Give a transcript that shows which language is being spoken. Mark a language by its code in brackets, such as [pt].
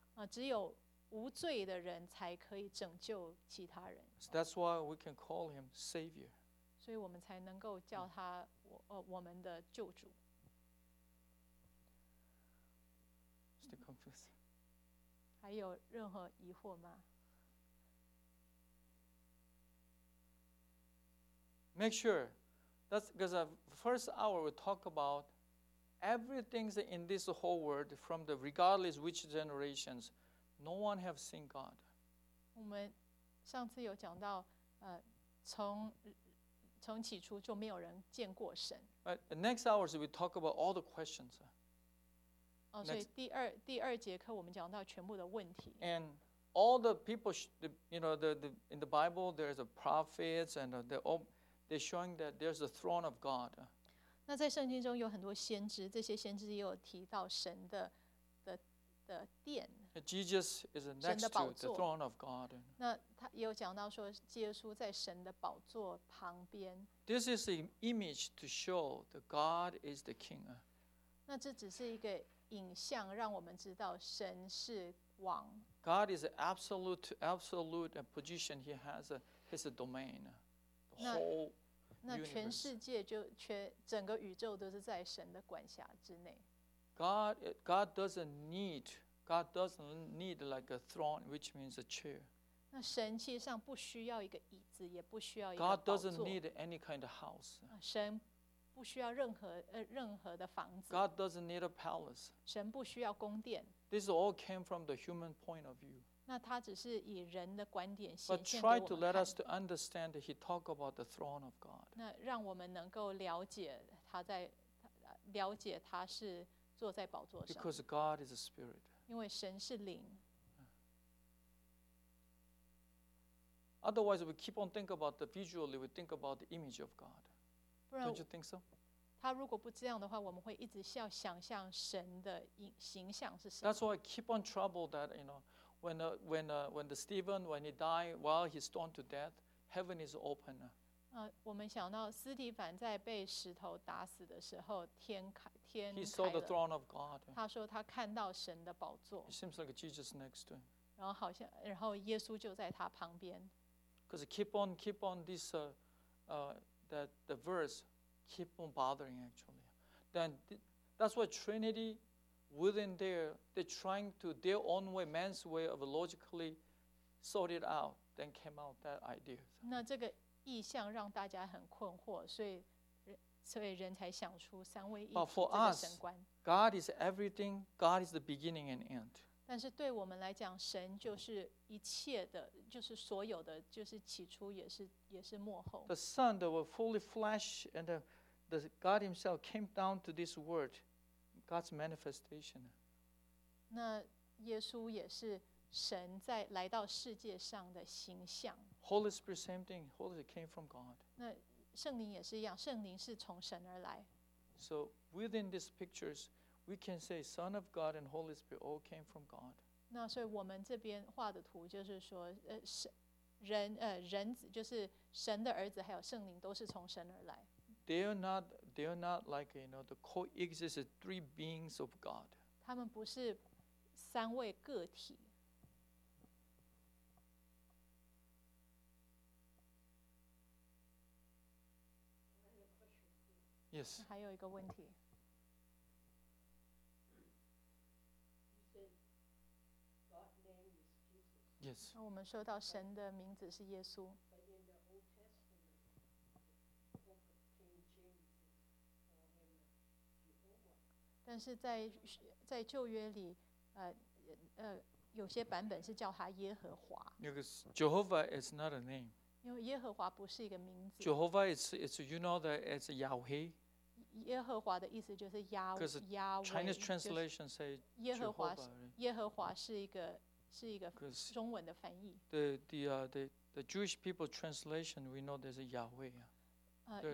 [zh] 只有无罪的人才可以拯救其他人。 [en] So that's why we can call him Savior. [zh] 所以我们才能够叫他我们的救主。 [en] Still confused. [zh] 还有任何疑惑吗？ [en] Make sure. That's because the first hour we talk about everything in this whole world from the regardless which generations, no one has seen God. [zh] 我们上次有讲到，从起初就没有人见过神。 [en] But the next hours we talk about all the questions. [zh] 所以第二节课我们讲到全部的问题。 [en] And all the people, in the Bible, there's a prophets and they're showing that there's a throne of God. [zh] 那在圣经中有很多先知，这些先知也有提到神的殿。 [en] Jesus is next to the throne of God. [zh] 那他也有讲到说，耶稣在神的宝座旁边。 [en] This is an image to show that God is the king. [zh] 那这只是一个影像，让我们知道神是王。 [en] God is absolute position. He has his domain. [zh] 那全世界就全整个宇宙都是在神的管辖之内。 [en] God doesn't need like a throne, which means a chair. [zh] 那神其实上不需要一个椅子，也不需要一个宝座。 [en] God doesn't need any kind of house. [zh] 神不需要任何的房子。 [en] God doesn't need a palace. [zh] 神不需要宫殿。 [en] This all came from the human point of view. [zh] 那他只是以人的观点显现给我们看。 [en] But try to let us to understand that he talked about the throne of God. [zh] 那让我们能够了解他是坐在宝座上。 [en] Because God is a spirit. [zh] 因为神是灵。 [en] Otherwise, we keep on think about the visually, we think about the image of God. Don't you think so? [zh] 他如果不这样的话，我们会一直要想象神的形象是什么。 [en] That's why I keep on troubled that, When the Stephen, when he died, while he's stoned to death, heaven is open. [zh] 我们想到斯蒂凡在被石头打死的时候，天开了。 [en] He saw the throne of God. [zh] 他说他看到神的宝座。 [en] It seems like Jesus next to him. [zh] 然后耶稣就在他旁边。 [en] Because keep on this, that the verse keep on bothering actually. Then that's what Trinity. Within there, they're trying to their own way, man's way of logically sort it out, then came out that idea. [zh] 那这个意象让大家很困惑，所以人才想出三位一体这个神观。 [en] But for us, God is everything. God is the beginning and end. [zh] 但是对我们来讲，神就是一切的，就是所有的，就是起初也是末后。 [en] The Son that was fully flesh and the God Himself came down to this world. God's manifestation. [zh] 那耶稣也是神在来到世界上的形象。 [en] Holy Spirit, same thing. Holy Spirit came from God. [zh] 那圣灵也是一样，圣灵是从神而来。 [en] So within these pictures, we can say Son of God and Holy Spirit all came from God. [zh] 那所以我们这边画的图就是说，人子就是神的儿子，还有圣灵都是从神而来。 [en] They are not like, the coexisted three beings of God. [zh] 他们不是三位个体。 [en] Yes. [zh] 还有一个问题。 [en] Yes. [zh] 我们说到神的名字是耶稣。但是在在旧约里，有些版本是叫他耶和华。 [en] Because Jehovah is not a name. [zh] 因为耶和华不是一个名字。 [en] Jehovah is you know that it's Yahweh. [zh] 耶和华的意思就是亚耶和华。 [en] Because Chinese translation say Jehovah. [zh] 耶和华是一个是一个中文的翻译。 [en] The Jewish people translation we know there's a Yahweh.